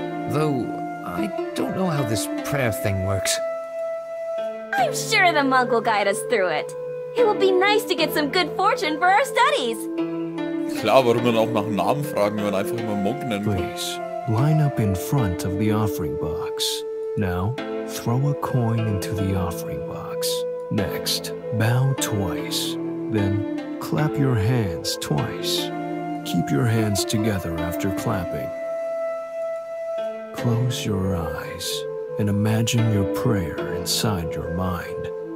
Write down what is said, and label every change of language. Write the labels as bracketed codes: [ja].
[en] Though, I don't know how this prayer thing works. I'm sure the monk will guide us through it. It will be nice to get some good fortune for our studies. [de] Klar, warum dann auch nach einem Namen fragen, wenn man einfach immer Monk nennen kann. [en] Please, line up in front of the offering box. Now, throw a coin into the offering box. Next, bow twice. Then, clap your hands twice. Keep your hands together after clapping. Close your eyes and imagine your prayer inside your mind.